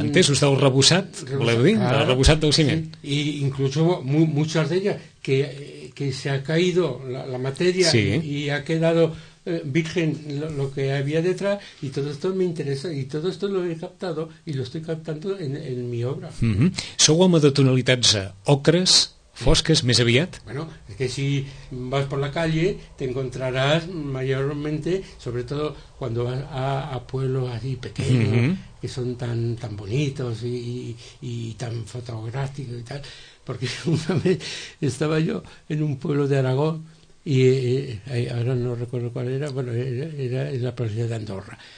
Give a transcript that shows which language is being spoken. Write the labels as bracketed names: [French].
[Catalan] Entès, us heu rebussat, voleu dir? Ah, el rebussat del ciment. Sí. [Spanish] I incluso muchas de ellas que se ha caído la materia, sí, y ha quedado virgen lo que había detrás, y todo esto me interesa, y todo esto lo he captado, y lo estoy captando en mi obra. Mm-hmm. [Catalan] Sou home de tonalitats ocres, fosques, sí, més aviat? [Spanish] Bueno, es que si vas por la calle te encontrarás mayormente, sobre todo cuando vas a pueblos así pequeños, mm-hmm, que son tan bonitos y tan fotográficos y tal, porque una vez estaba yo en un pueblo de Aragón, y ahora no recuerdo cuál era, bueno, era en la provincia de Andorra,